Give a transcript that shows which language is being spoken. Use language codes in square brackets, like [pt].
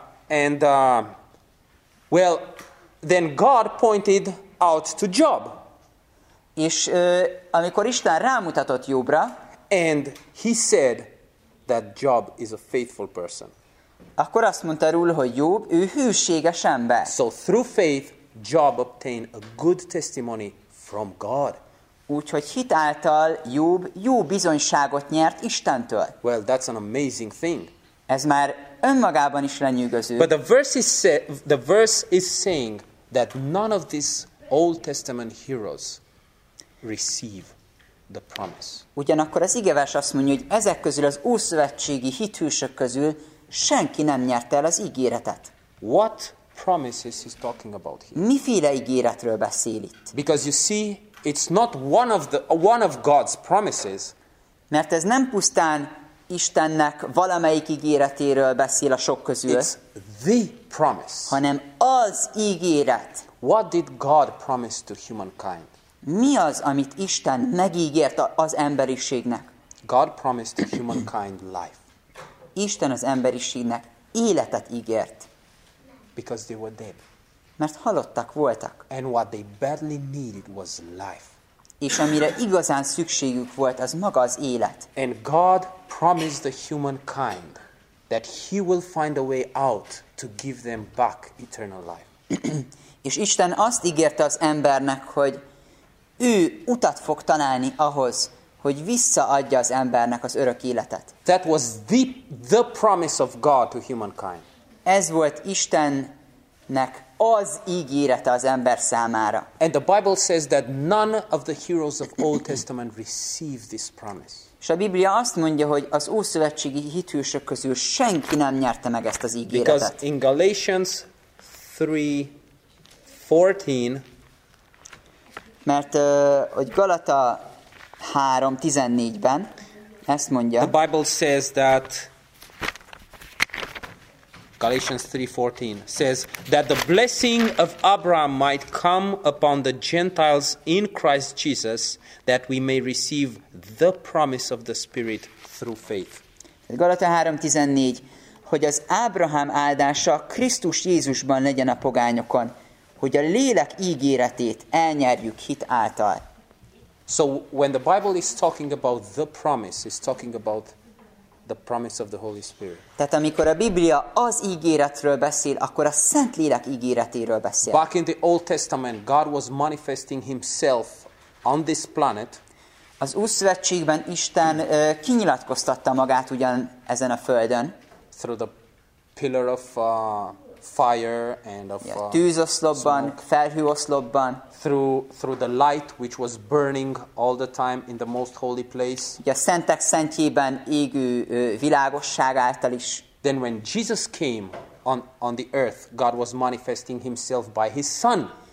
[en] And well, then God pointed out to Job. [hu] És amikor Isten rámutatott Jobra, [en] and he said that Job is a faithful person. [hu] Akkor azt mondta róla, hogy Job, ő hűséges ember. [en] So through faith, Job obtained a good testimony from God. [hu] Úgyhogy hit által Job jó bizonyságot nyert Istentől. [en] Well, that's an amazing thing. [hu] Ez már önmagában is lenyűgöző. [en] But the verse is saying that none of these Old Testament heroes receive the promise. [hu] Ugyanakkor az igevers azt mondja, hogy ezek közül az ószövetségi hithűsök közül senki nem nyerte el az ígéretet. [en] What promises is talking about here? [hu] Miféle ígéretről beszél itt? [en] Because you see, it's not one of God's promises. [hu] Mert ez nem pusztán Istennek valamelyik ígéretéről beszél a sok közül. [en] It's the promise. [hu] Hanem az ígéret. [en] What did God promise to humankind? [hu] Mi az, amit Isten megígért az emberiségnek? [en] God promised to humankind life. [hu] Isten az emberiségnek életet ígért. [en] Because they were dead. [hu] Mert halottak voltak. [en] And what they badly needed was life. [hu] És amire igazán szükségük volt, az maga az élet. [en] And God promised the humankind that he will find a way out to give them back eternal life. [hu] És Isten azt ígérte az embernek, hogy ő utat fog találni ahhoz, hogy visszaadja az embernek az örök életet. [en] That was the promise of God to humankind. [hu] Ez volt Istennek az ígérete az ember számára. [en] And the Bible says that none of the heroes of Old Testament received this promise. [hu] És a Biblia azt mondja, hogy az ószövetségi hithűsök közül senki nem nyerte meg ezt az ígéretet. [en] Because in Galatians 3:14, [hu] mert hogy Galata 3:14-ben ezt mondja. [en] The Bible says that Galatians 3:14 says that the blessing of Abraham might come upon the Gentiles in Christ Jesus, that we may receive the promise of the Spirit through faith. [hu] Galata 3:14, hogy az Ábrahám áldása Krisztus Jézusban legyen a pogányokon, hogy a lélek ígéretét elnyerjük hit által. [en] So when the Bible is talking about the promise, it's talking about the promise of the Holy Spirit. [hu] Tehát amikor a Biblia az ígéretről beszél, akkor a Szentlélek ígéretéről beszél. [en] Back in the Old Testament, God was manifesting himself on this planet. [hu] Az Ószövetségben Isten kinyilatkoztatta magát ugyan ezen a földön. [en] Through the pillar of fire and of [hu] tűzoszlopban, felhőoszlopban, [en] through the light which was burning all the time in the most holy place. [hu] A szentek szentjében égő világosság által is. [en] Then when Jesus came on the earth, God was manifesting himself by his son.